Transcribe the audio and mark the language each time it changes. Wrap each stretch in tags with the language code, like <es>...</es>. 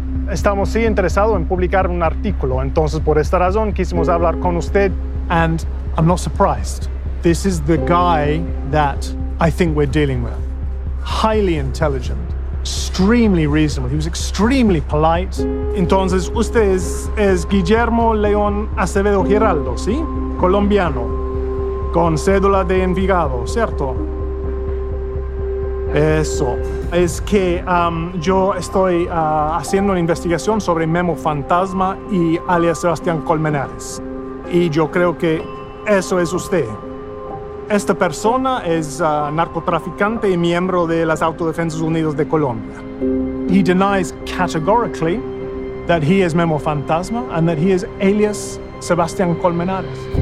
<es>Estamos sí interesados en publicar un artículo, entonces por esta razón quisimos hablar con usted.</es> <en>And I'm not surprised. This is the guy that I think we're dealing with. Highly intelligent, extremely reasonable. He was extremely polite.</en> <es>Entonces usted es Guillermo León Acevedo Giraldo, ¿sí? Colombiano. Con cédula de Envigado, ¿cierto? Eso. Es que yo estoy haciendo una investigación sobre Memo Fantasma y alias Sebastián Colmenares. Y yo creo que eso es usted. Esta persona es narcotraficante y miembro de las Autodefensas Unidas de Colombia.</es> <en>He denies categorically that he is Memo Fantasma and that he is alias Sebastián Colmenares.</en>